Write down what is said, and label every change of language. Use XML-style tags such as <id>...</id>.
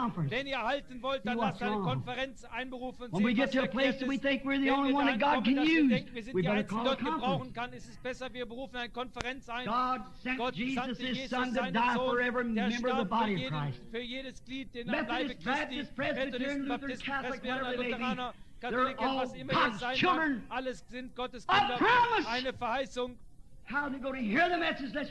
<de>Wenn ihr halten wollt, dann lasst eine Konferenz einberufen.</de> <en>When we get to a place that we think we're the only one that God can use,</en> <de>wir sind die Einzigen, die Gott gebrauchen kann, ist es besser, wir berufen eine Konferenz ein.</de> <en>God sent Jesus his son to die for every member of the body of Christ. Methodist, Baptist, Presbyterian, Lutheran, Catholic, whatever they may be, they're all God's children.</en> <de>Alles sind Gottes Kinder. Eine Verheißung.</de> <en>How are they going to hear the message let's</en>